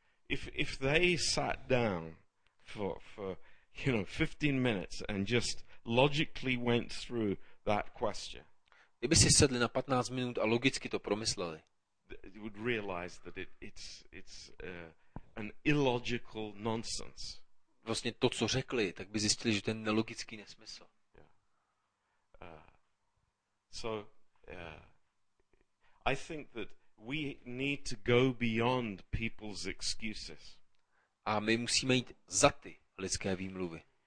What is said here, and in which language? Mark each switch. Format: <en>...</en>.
<en>If they sat down for you know 15 minutes and just logically went through that question,</en> <cs>kdyby si sedli na 15 minut a logicky to promysleli,</cs> <en>they would realize that it's an illogical nonsense.</en> <cs>Vlastně to, co řekli, tak by zjistili, že to je nelogický nesmysl.</cs> <en>Yeah. So I think that we need to go beyond people's excuses.</en> <cs>A my musíme jít za ty lidské výmluvy.</cs>